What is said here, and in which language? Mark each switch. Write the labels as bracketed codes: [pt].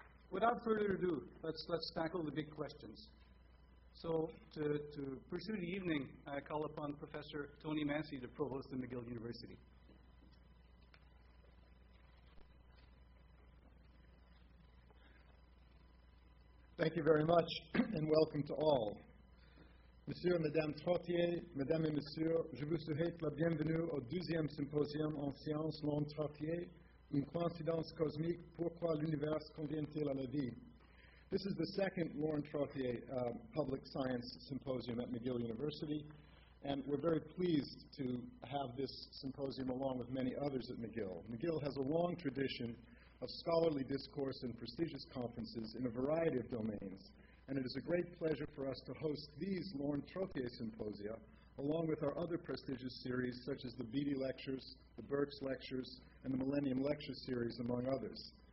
[en] Without further ado, let's tackle the big questions. So to pursue the evening, I call upon Professor Tony Massey, the provost of McGill University. Thank you very much, and welcome to all. [fr] Monsieur et Madame Trottier, Madame et Monsieur, je vous souhaite la bienvenue au deuxième symposium en sciences Laurent Trottier. Une coïncidence cosmique, pourquoi l'univers convient-il à la vie? [en] This is the second Laurent Trottier Public Science Symposium at McGill University, and we're very pleased to have this symposium along with many others at McGill. McGill has a long tradition of scholarly discourse and prestigious conferences in a variety of domains, and it is a great pleasure for us to host these Laurent Trottier Symposia along with our other prestigious series such as the Beattie Lectures, the Birx Lectures, and the Millennium Lecture Series, among others.